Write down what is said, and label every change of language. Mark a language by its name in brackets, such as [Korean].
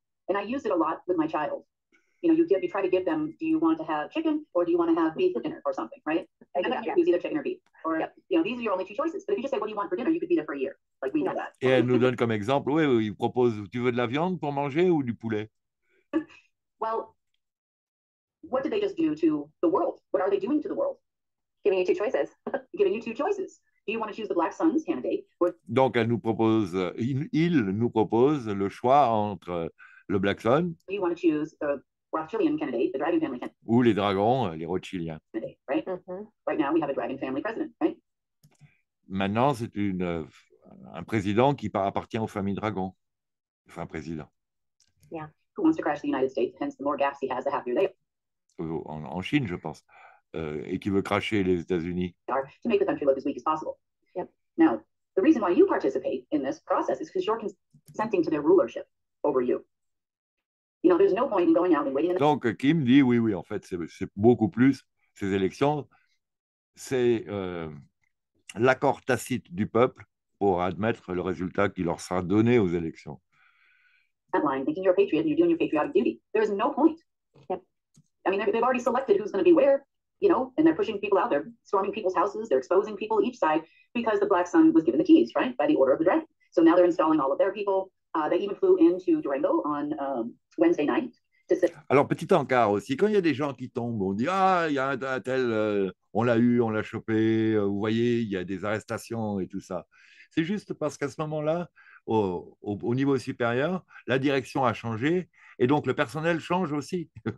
[English] And I use it a lot with my child. You know, you try to give them, do you want to have chicken or do you want to have beef for dinner or something, right? Exactly. And then you choose either chicken or beef. Or, you know, these are your only two choices. But if you just say, what do you want for dinner? You could be there for a year. Like, we know that. [French] Et elle nous donne comme exemple, oui, il propose, tu veux de la viande pour manger ou du poulet? [English] Well, what did they just do to the world? What are they doing to the world? Giving you two choices. Giving you two choices. Do you want to choose the Black Sun's candidate? Or... [French] Donc, elle nous propose, il nous propose le choix entre le Black Sun. [English] Do you want to choose the... Rothschildian candidate, the Dragon Family candidate. [French] Ou les dragons, les Rothschildiens. [English] Right? Mm-hmm. Right now, we have a Dragon Family president, right? [French] Maintenant, c'est un président qui appartient aux familles dragons. Enfin, président. [English] Yeah. Who wants to crash the United States? Hence, the more gaps he has, the happier they are. [French] En Chine, je pense. Et qui veut cracher les États-Unis. [English] To make the country look as weak as possible. Yep. Now, the reason why you participate in this process is because you're consenting to their rulership over you. You know, there's no point in going out and waiting. [French] Donc Kim dit oui, oui, en fait, c'est beaucoup plus ces élections. C'est l'accord tacite du peuple pour admettre le résultat qui leur sera donné aux élections. [English] Line, thinking you're a patriot and you're doing your patriotic duty. There's no point. Yep. I mean, they've already selected who's going to be where, you know, and they're pushing people out. They're storming people's houses. They're exposing people each side because the Black Sun was given the keys, right, by the Order of the Dragon. So now they're installing all of their people. They even flew into Durango on Wednesday night. [French] Alors, petit encart aussi, quand il y a des gens qui tombent, on dit, ah, il y a un tel, on l'a eu, on l'a chopé, vous voyez, il y a des arrestations et tout ça. C'est juste parce qu'à ce moment-là, au niveau supérieur, la direction a changé et donc le personnel change aussi.